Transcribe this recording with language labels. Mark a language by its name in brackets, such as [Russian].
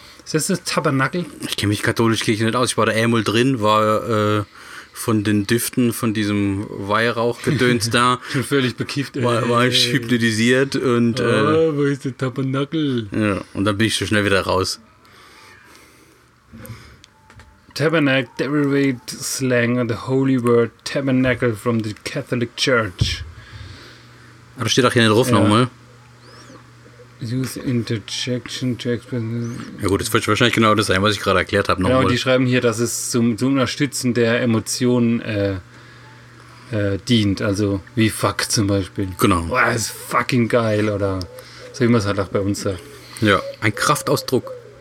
[German] Ist das ein Tabernacle? Ich kenne mich katholisch Kirche nicht aus. Ich war da einmal drin, war von den Düften von diesem Weihrauchgedöns da. Schon völlig bekifft. War ich hypnotisiert und... Wo ist der Tabernacle? Ja, und dann bin ich so schnell wieder raus. [English] Tabernacle, derivate slang of the holy word tabernacle from the Catholic Church. [German] Aber das steht auch hier nicht drauf nochmal. [English] Use interjection to express. [German] Ja gut, das wird wahrscheinlich genau das sein, was ich gerade erklärt habe. Genau, die schreiben hier, dass es zum Unterstützen der Emotionen dient. Also wie fuck zum Beispiel. Genau. Boah, ist fucking geil. Oder so wie man es halt auch bei uns sagt. Ja, ein Kraftausdruck.